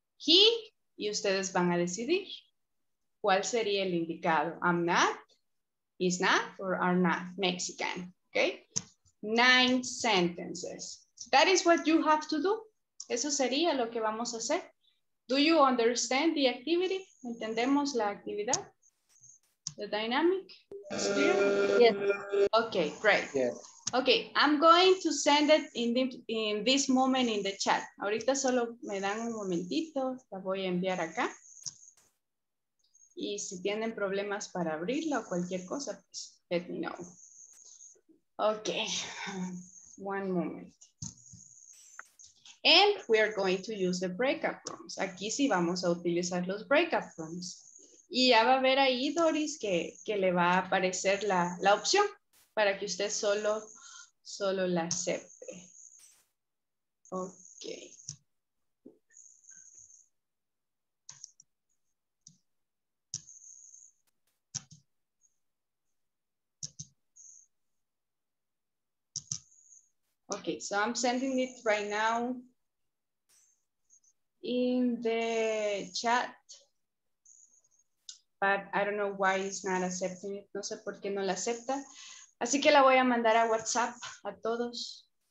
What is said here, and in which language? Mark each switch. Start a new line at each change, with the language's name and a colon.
Spanish: He, y ustedes van a decidir cuál sería el indicado.
English: I'm not, is not, or are not Mexican. Okay? 9 sentences. That is what you have to do.
Spanish: Eso sería lo que vamos a hacer.
English: Do you understand the activity?
Spanish: ¿Entendemos la actividad?
English: The dynamic? Yes. Okay, great. Yes. Okay, I'm going to send it in this moment in the chat.
Spanish: Ahorita solo me dan un momentito, la voy a enviar acá. Y si tienen problemas para abrirla o cualquier cosa, pues
English: let me know. Okay, one moment. And we are going to use the breakout rooms.
Spanish: Aquí sí vamos a utilizar los breakout rooms. Y ya va a ver ahí, Doris, que le va a aparecer la opción para que usted solo la acepte.
English: Ok. Ok, so I'm sending it right now in the chat. But I don't know why it's not accepting it.
Spanish: No sé por qué no la acepta. Así que la voy a mandar a WhatsApp a todos.